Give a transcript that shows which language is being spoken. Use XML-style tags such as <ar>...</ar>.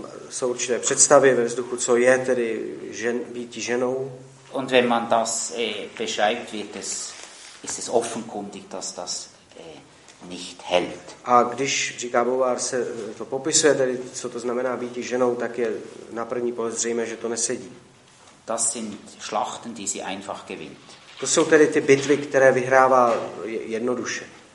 <cs>Jsou určité představy ve vzduchu, co je tedy být ženou.</cs> <de>Und wenn man das beschreibt, wird es, ist es offenkundig, dass das nicht hält.</de> <cs>A když, říká Beauvoir, se to popisuje, tedy co to znamená být ženou, tak je na první pohled zřejmé, že to nesedí.</cs> <de>Das sind Schlachten, die sie einfach gewinnt.</de> <cs>To jsou tedy ty bitvy, které vyhrává jednoduše.</cs>